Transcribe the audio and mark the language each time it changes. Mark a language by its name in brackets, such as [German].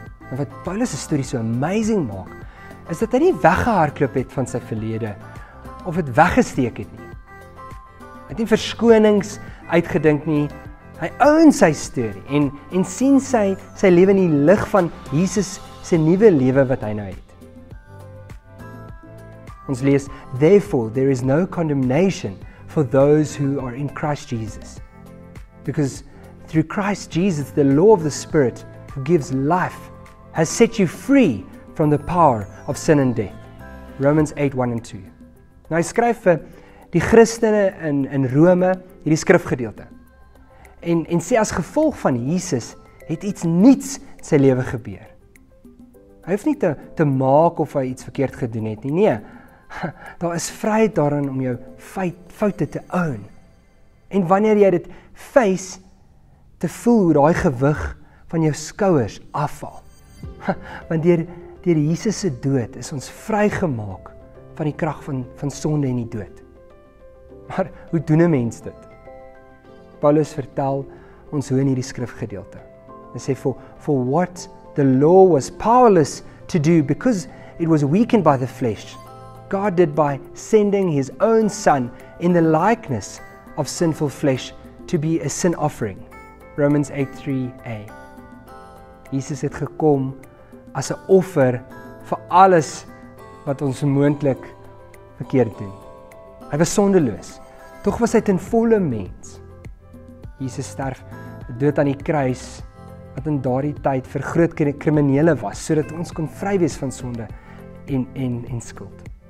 [Afrikaans] En wat Paulus se story so amazing maak, is dat hy nie weggehardloop het van sy verlede, of het weggesteek het nie. Hy het nie verskonings uitgedink nie, hy own sy story, en sien sy lewe in die lig van Jesus se nuwe lewe wat hy nou het. Ons lees, [English] therefore there is no condemnation for those who are in Christ Jesus. Because through Christ Jesus, the law of the Spirit who gives life has set you free from the power of sin and death. Romans 8:1-2. [Afrikaans] Nou, hy skryf vir die Christene in Rome hierdie skrifgedeelte. En sê as gevolg van Jesus het iets niets in sy lewe gebeur. Hy hoef nie te maak of hy iets verkeerd gedoen het nie. Nee, daar is vryheid daarin om jou foute te own. En wanneer jy dit face, te voel hoe daai gewig van jou skouers afval. Want deur Jesus se dood is ons vrygemaak van die krag van sonde en die dood. Maar hoe doen 'n mens dit? Paulus vertel ons hoe in hierdie skrifgedeelte. Hy sê [English] for what the law was powerless to do because it was weakened by the flesh, God did by sending his own son in the likeness of sinful flesh to be a sin offering. Romans 8:3a. [Afrikaans] Jesus het gekom as 'n offer vir alles wat ons moontlik verkeerd doen. Hy was sondeloos, tog was hy ten volle mens. Jesus sterf dood aan die kruis wat in daardie tyd vir groot kriminele was, sodat ons kon vry wees van sonde en skuld.